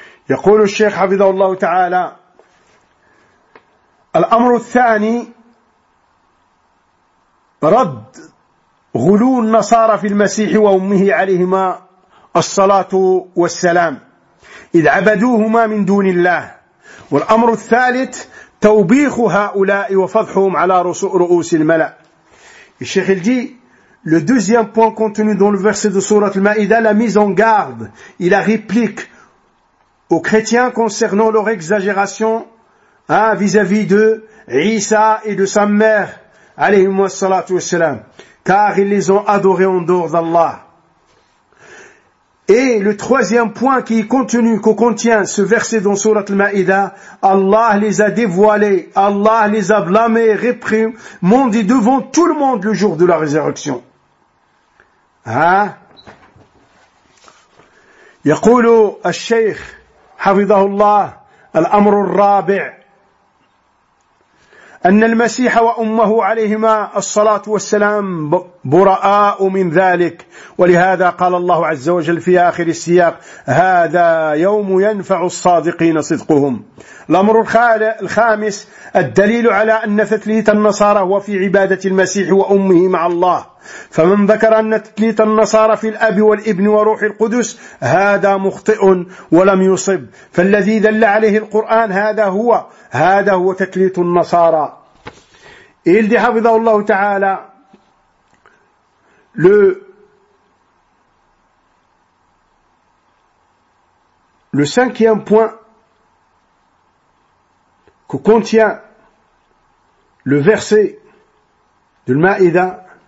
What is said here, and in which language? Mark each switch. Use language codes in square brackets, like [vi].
[ar] يقول الشيخ حفظه الله تعالى الأمر الثاني رد غلو النصارى في المسيح وأمه عليهما الصلاة والسلام إذ عبدوهما من دون الله والأمر الثالث توبيخ هؤلاء وفضحهم على رؤوس الملأ. الشيخ الجي [fr] le deuxième point contenu dans le verset de sourate Al-Ma'idah, la mise en garde, il a réplique aux chrétiens concernant leur exagération vis-à-vis de Isa et de sa mère alayhim wa salatu wassalam, car ils les ont adorés en dehors d'Allah. Et le troisième point qui est contenu, qu'on contient ce verset dans sourate Al-Ma'idah, Allah les a dévoilés, Allah les a blâmés, réprimandés devant tout le monde le jour de la résurrection. [ar] Yaqulu al-Shaykh حفظه الله الأمر الرابع أن المسيح وأمه عليهما الصلاة والسلام براء من ذلك ولهذا قال الله عز وجل في آخر السياق هذا يوم ينفع الصادقين صدقهم. الأمر الخامس الدليل على أن تثليث النصارى هو في عبادة المسيح وأمه مع الله فمن ذكر أن تثليث النصارى في الأب والابن وروح القدس هذا مخطئ ولم يصب، فالذي دل عليه القرآن هذا هو تثليث النصارى. [fr] Il dit Habidallahu Ta'ala, le cinquième point que contient le verset de l'Maïda,